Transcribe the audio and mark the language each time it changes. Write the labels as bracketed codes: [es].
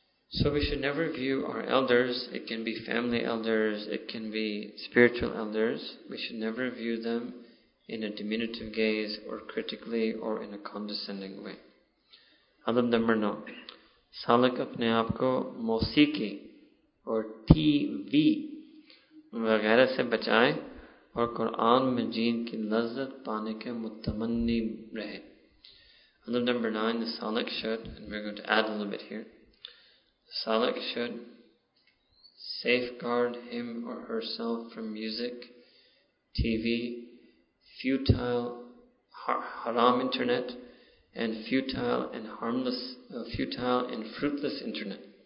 [en] So we should never view our elders, it can be family elders, it can be spiritual elders, we should never view them in a diminutive gaze or critically or in a condescending way. Adab number 9. [ur] سالک اپنے آپ کو موسیقی اور T V وغیرہ سے بچائے اور قرآن مجید کی لذت پانے کے متمنی رہے۔ [en] Adab number 9, the salik should, and we're going to add a little bit here, Salik should safeguard him or herself from music, TV, futile, haram internet, and futile and harmless, futile and fruitless internet.